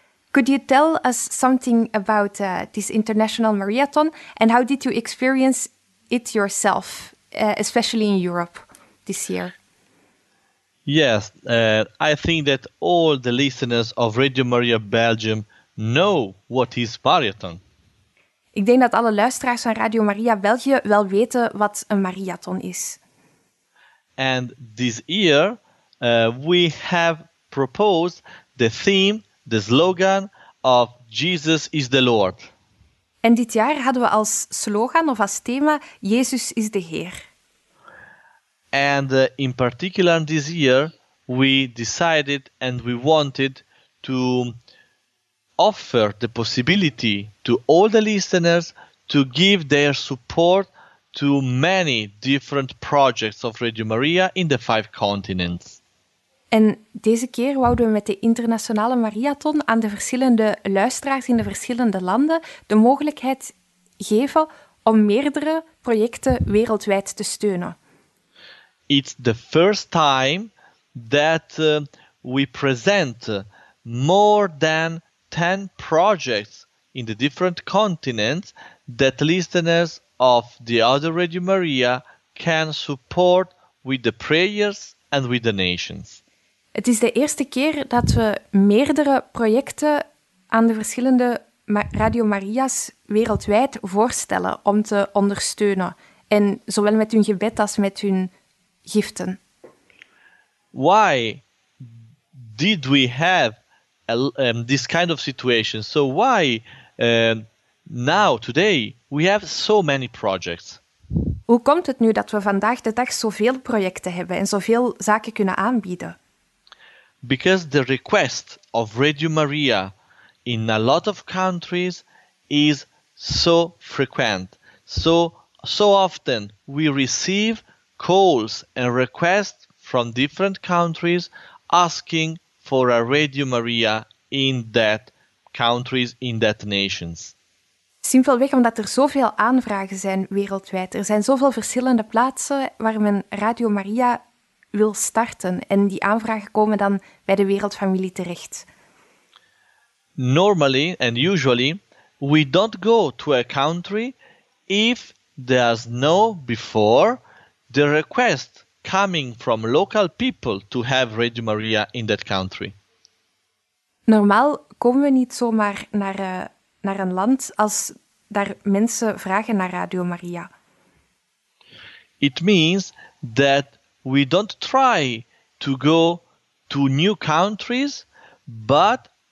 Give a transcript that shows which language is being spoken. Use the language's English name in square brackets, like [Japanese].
[English] Could you tell us something about this international marathon and how did you experience it yourself, especially in Europe this year? Yes, I think that all the listeners of Radio Maria Belgium know what is marathon. [Dutch] Ik denk dat alle luisteraars van Radio Maria België wel weten wat een marathon is. [English] And this year, we have proposed the theme, the slogan of Jesus is the Lord. [Dutch] En dit jaar hadden we als slogan of als thema Jezus is de Heer. [English] And in particular this year we decided and we wanted to offer the possibility to all the listeners to give their support to many different projects of Radio Maria in the five continents. [Dutch] En deze keer wouden we met de internationale Mariathon aan de verschillende luisteraars in de verschillende landen de mogelijkheid geven om meerdere projecten wereldwijd te steunen. [English] It's the first time that we present more than 10 projects in the different continents that listeners of the other Radio Maria can support with the prayers and with the nations. [Dutch] Het is de eerste keer dat we meerdere projecten aan de verschillende Radio Maria's wereldwijd voorstellen om te ondersteunen. En zowel met hun gebed als met hun giften. [English] Why did we have this kind of situation? So why now, today, we have so many projects? [Dutch] Hoe komt het nu dat we vandaag de dag zoveel projecten hebben en zoveel zaken kunnen aanbieden? [English] Because the request of Radio Maria in a lot of countries is so frequent. So often we receive calls and requests from different countries asking for a Radio Maria in that countries, in that nations. [Dutch] Simpelweg omdat er zoveel aanvragen zijn wereldwijd. Er zijn zoveel verschillende plaatsen waar men Radio Maria wil starten en die aanvragen komen dan bij de Wereldfamilie terecht. [English] Normally and usually we don't go to a country if there's no before the request coming from local people to have Radio Maria in that country. [Dutch] Normaal komen we niet zomaar naar een land als daar mensen vragen naar Radio Maria. [English] It means that we don't try to go to new countries, but